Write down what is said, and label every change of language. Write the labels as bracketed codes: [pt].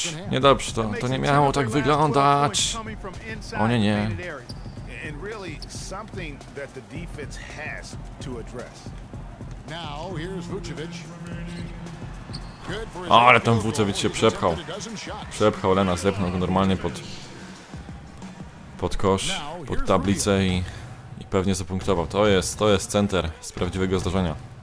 [pl] Niedobrze, to nie miało tak wyglądać. O nie, nie. [en] And really, something that the defense has to address. Now, here's Vucevic. [pl] O, ale ten Vucevic się przepchał. Przepchał Lena, zepchnął go normalnie pod kosz, pod tablicę i pewnie zapunktował. To jest center z prawdziwego zdarzenia.